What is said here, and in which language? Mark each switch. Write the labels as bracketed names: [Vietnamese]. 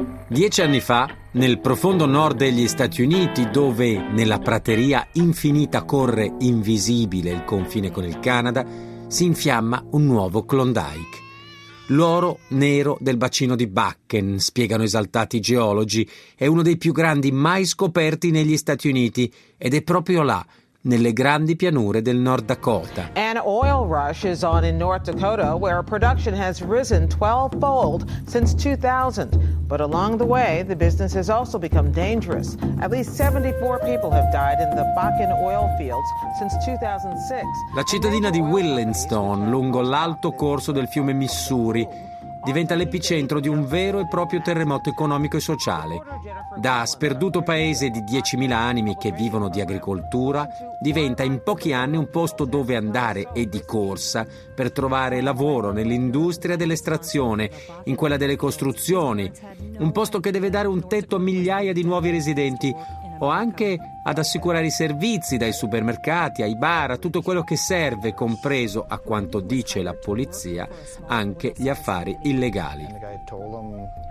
[Italian] Dieci anni fa, nel profondo nord degli Stati Uniti, dove nella prateria infinita corre invisibile il confine con il Canada, si infiamma un nuovo Klondike. L'oro nero del bacino di Bakken, spiegano esaltati geologi, è uno dei più grandi mai scoperti negli Stati Uniti ed è proprio là, nelle grandi pianure del Nord Dakota. [English] An oil rush is on in North Dakota, where production has risen 12-fold since 2000. But along the way, the business has also become dangerous. At least 74 people have died in the Bakken oil fields since 2006. [Italian] La cittadina di Willenstone, lungo l'alto corso del fiume Missouri, diventa l'epicentro di un vero e proprio terremoto economico e sociale. Da sperduto paese di 10.000 anime che vivono di agricoltura, diventa in pochi anni un posto dove andare e di corsa per trovare lavoro nell'industria dell'estrazione, in quella delle costruzioni, un posto che deve dare un tetto a migliaia di nuovi residenti o anche ad assicurare i servizi dai supermercati, ai bar, a tutto quello che serve, compreso, a quanto dice la polizia, anche gli affari illegali.